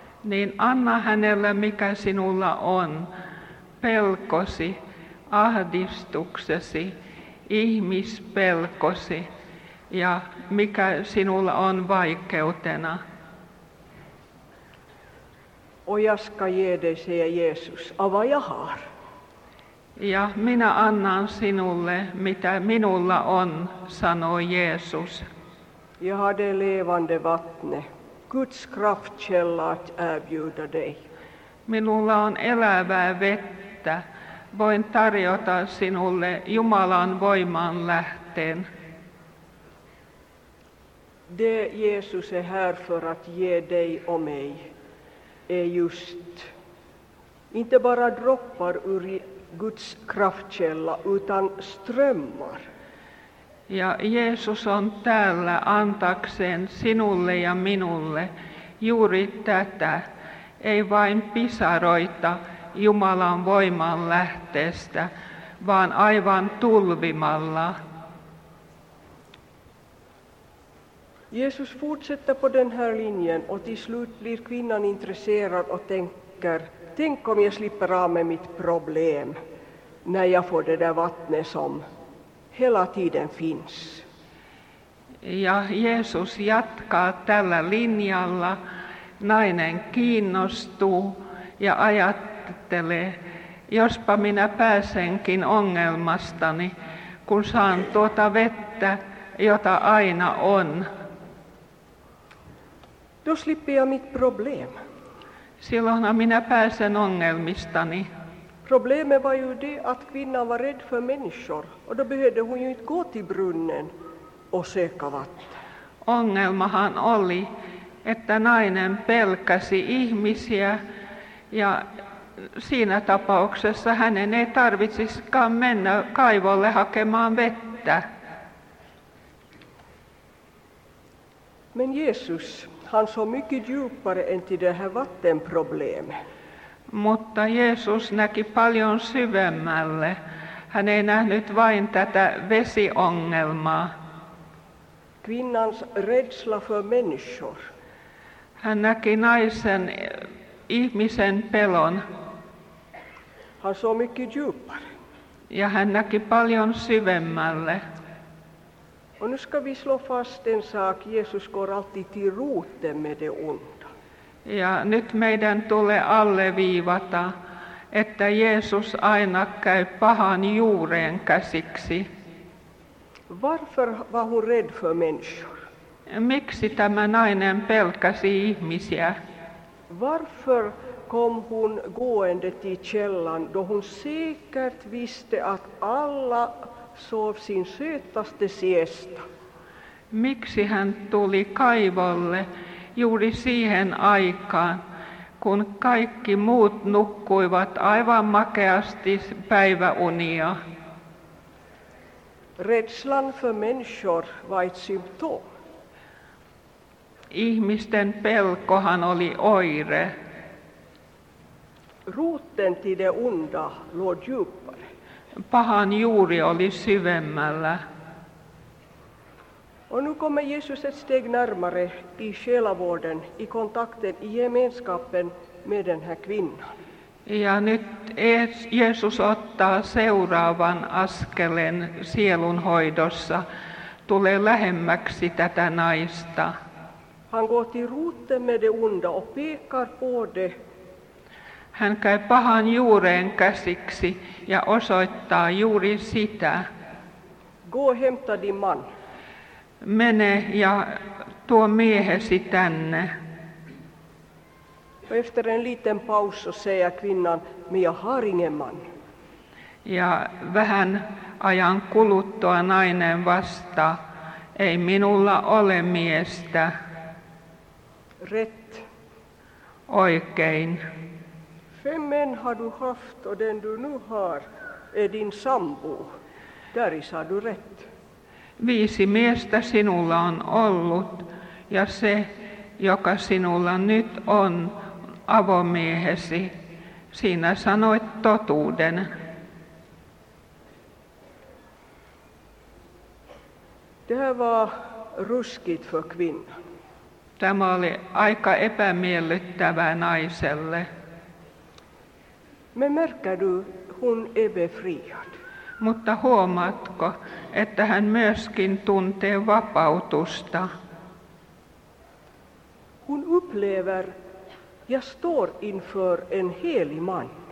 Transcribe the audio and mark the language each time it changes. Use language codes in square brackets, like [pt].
[fi] Niin anna hänelle, mikä sinulla on, pelkosi. Ahdistuksesi, ihmispelkosi ja mikä sinulla on vaikeutena. Ojaska jedese ja Jeesus, ava jahar. Ja minä annan sinulle, mitä minulla on, sanoi Jeesus. [sv] Ja hade levande vattne, Guds kraftkälla att erbjuda dig. [fi] Minulla on elävää vettä. Voin tarjota sinulle Jumalan voiman lähteen. [sv] Det Jesus är här för att ge dig och mig är just inte bara droppar ur Guds kraftkälla utan strömmar. [fi] Ja Jeesus on täällä antakseen sinulle ja minulle juuri tätä, ei vain pisaroita Jumalan voiman lähteestä, vaan aivan tulvimalla. [sv] Jesus fortsätter på den här linjen och till slut blir kvinnan intresserad och tänker, tänk om jag slipper av med mitt problem när jag får det där vattnet som hela tiden finns. [fi] Ja Jesus jatkaa tällä linjalla, nainen kiinnostuu ja ajattelee, jospa minä pääsenkin ongelmastani, kun saan tuota vettä, jota aina on. [sv] Då slipper jag mitt problem. [fi] Silloin minä pääsen ongelmistani. [sv] Problemet var ju det att kvinnan var rädd för människor. Och då behövde hon ju inte gå till brunnen och söka vatten. [fi] Ongelmahan oli, että nainen pelkäsi ihmisiä. Ja siinä tapauksessa hänen ei tarvitsisikaan mennä kaivolle hakemaan vettä. [sv] Men Jesus... Han såg mycket djupare än till det här vattenproblemet. [fi] Mutta Jeesus näki paljon syvemmälle. Hän ei nähnyt vain tätä vesiongelmaa. [sv] Kvinnans rädsla för människor. [fi] Hän näki naisen ihmisen pelon. [sv] Han såg mycket djupare. [fi] Ja hän näki paljon syvemmälle. [sv] Och nu ska vi slå fast en sak. Jesus går alltid till roten med det onda. [fi] Ja nyt meidän tulee alleviivata, että Jeesus aina käy pahan juureen käsiksi. [sv] Varför var hon rädd för människor? [fi] Miksi tämä nainen pelkäsi ihmisiä? [sv] Varför kom hon gående till källan, då hon säkert visste att alla... sov sin sötaste siesta. [fi] Miksi hän tuli kaivolle juuri siihen aikaan, kun kaikki muut nukkuivat aivan makeasti päiväunia? [sv] Rädslan för människor var ett symptom. [fi] Ihmisten pelkohan oli oire. [sv] Roten till det onda låg djupare. [fi] Pahan juuri oli syvemmällä. [sv] Och nu kommer Jesus ett steg närmare i själavården, i kontakten, i gemenskapen med den här kvinnan. [fi] Ja nyt Jeesus ottaa seuraavan askelen sielunhoidossa, tulee lähemmäksi tätä naista. [sv] Han går till roten med det onda och pekar på det. [fi] Hän käy pahan juureen käsiksi ja osoittaa juuri sitä. [sv] Gå hämta din man. [fi] Mene ja tuo miehesi tänne. [sv] Efter en liten paus så säger kvinnan, men jag har ingen man. [fi] Ja vähän ajan kuluttua nainen vastaa, ei minulla ole miestä. [sv] Rätt. [fi] Oikein. [sv] Fem män har du haft och den du nu har är din sambo. Där sa du rätt. [fi] Viisi miestä sinulla on ollut ja se, joka sinulla nyt on, avomiehesi. Siinä sanoit totuuden. [sv] Det här var ruskigt för kvinnan. [fi] Tämä oli aika epämiellyttävä naiselle. [sv] Men märker du, hon är befriad. [fi] Mutta huomaatko, että hän myöskin tuntee vapautusta. [sv] Hon upplever, jag står inför en helig man.